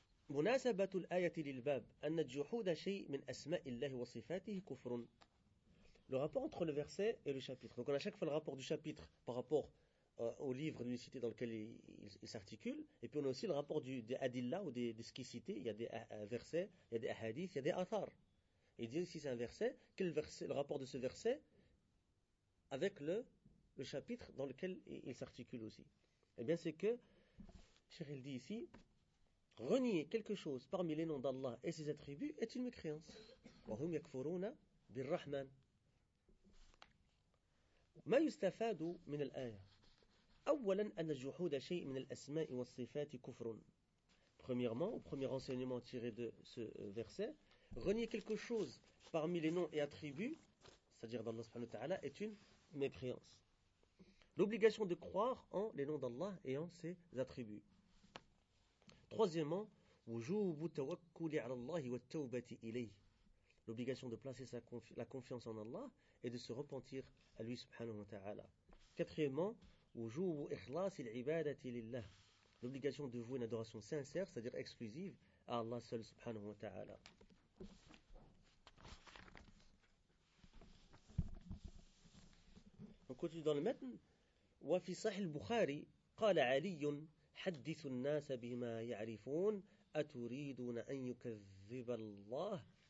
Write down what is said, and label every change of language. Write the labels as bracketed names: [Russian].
[Arabic] مناسبه الايه للباب ان الجحود شيء من اسماء الله وصفاته كفر. [French] Le rapport entre le verset et le chapitre. Donc on a chaque fois le rapport du chapitre par rapport au livre d'unicité dans lequel il s'articule. Et puis on a aussi le rapport des adillah ou de ce qui est cité. Il y a des versets, il y a des hadiths, il y a des athars. Et il dit si c'est un verset, quel verset, le rapport de ce verset avec le chapitre dans lequel il s'articule aussi. Eh bien c'est que, Cheikh dit ici, renier quelque chose parmi les noms d'Allah et ses attributs est une mécréance. [Arabic] وَهُمْ يَكْفُرُونَ بِالرَّحْمَنِ. ما يستفاد من الآية؟ أولا أن الجحود شيء من الأسماء والصفات كفر. [French] Premièrement, au premier enseignement tiré de ce verset, renier quelque chose parmi les noms et attributs, c'est-à-dire d'Allah [Arabic] subhanahu wa ta'ala, [French] est une mépréhense. L'obligation de croire en les noms d'Allah et en ses attributs. [Arabic] Troisièmement, وجوب التوكل على الله والتوبة إليه. [French] L'obligation de placer la confiance en Allah et de se repentir à lui, [Arabic] subhanahu wa ta'ala. Quatrièmement, وُجُوبُ إِخْلَاصِ الْعِبَادَةِ لِلَّهِ. [French] L'obligation de vouer une adoration sincère, c'est-à-dire exclusive, à Allah seul, [Arabic] subhanahu wa ta'ala. [French] On continue dans le matn. [Arabic] وَفِي صَحِحِ الْبُخَارِ قَالَ عَلِيٌّ حَدِّثُ النَّاسَ بِمَا يَعْرِفُونَ أَتُرِيدُونَ أَنْ يُكَذِّبَ اللَّهِ.